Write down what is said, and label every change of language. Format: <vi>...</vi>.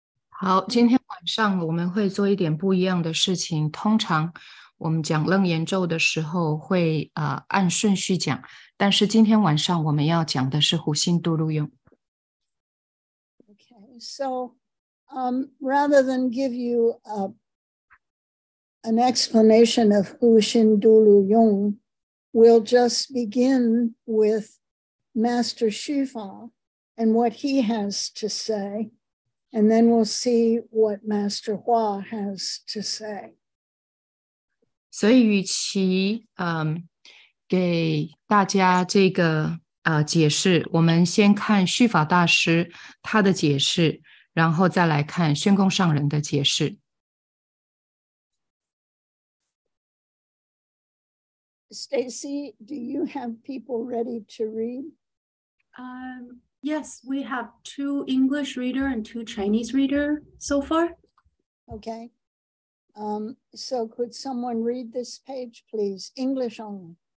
<zh>好, 今天晚上我们会做一点不一样的事情。通常, 我们讲楞严咒的时候会 按顺序讲, 但是今天晚上我们要讲的是恒持法师。</zh> <en>Okay, so rather than give you an explanation of 恒持法师, we'll just begin with Master Shufa and what he has to say, and then we'll see what Master Hua has to say.</en> <zh>所以与其给大家这个解释，我们先看续法大师他的解释，然后再来看宣公上人的解释。</zh> <en>Stacy, do you have people ready to read? Yes, we have two English reader and two Chinese reader so far. Okay. So could someone read this page, please? English only.</en>